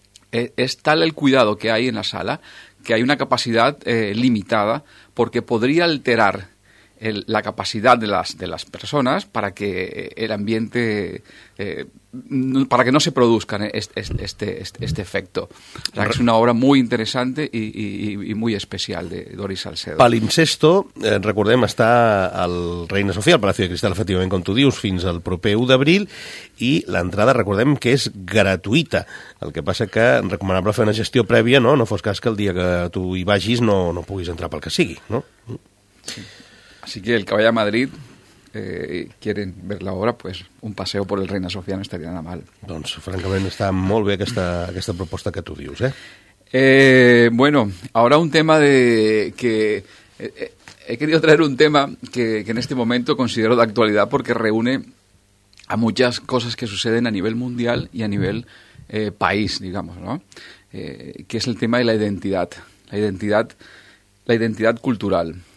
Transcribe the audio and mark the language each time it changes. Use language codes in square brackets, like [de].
[es] Es tal el cuidado que hay en la sala que hay una capacidad limitada, porque podría alterar la capacidad de las personas para que el ambiente para que no se produzca este efecto. O sea, es una obra muy interesante y muy especial de Doris Salcedo. [ca] Palimpsesto, recordem, està al Reina Sofía, al Palacio de Cristal, efectivament, com tu dius, fins al proper 1 d'abril, i l'entrada, recordem, que és gratuïta. El que passa que és recomanable fer una gestió prèvia, no? No fos cas que el dia que tu hi vagis no puguis entrar pel que sigui, no? Sí. [es] Así que el que vaya a Madrid quieren ver la obra, pues un paseo por el Reina Sofía no estaría nada mal. [ca] Doncs, francament, està molt bé aquesta proposta que tu dius, eh? [es] Bueno, ahora un tema de que... he querido traer un tema que en este momento considero de actualidad porque reúne a muchas cosas que suceden a nivel mundial y a nivel país, digamos, ¿no? Que es el tema de la identidad. La identidad cultural.